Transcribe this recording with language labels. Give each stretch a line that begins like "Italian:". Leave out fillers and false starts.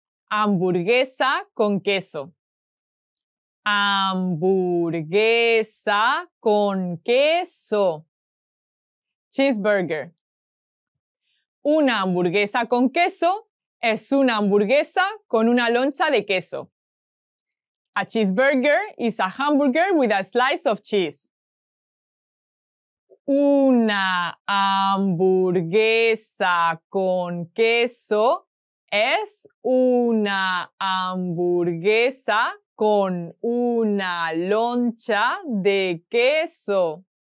Spanish: Hamburguesa con queso. Hamburguesa con queso. Cheeseburger. Una hamburguesa con queso es una hamburguesa con una loncha de queso.
English: A cheeseburger is a hamburger with a slice of cheese.
Spanish: Una hamburguesa con queso es una hamburguesa con una loncha de queso.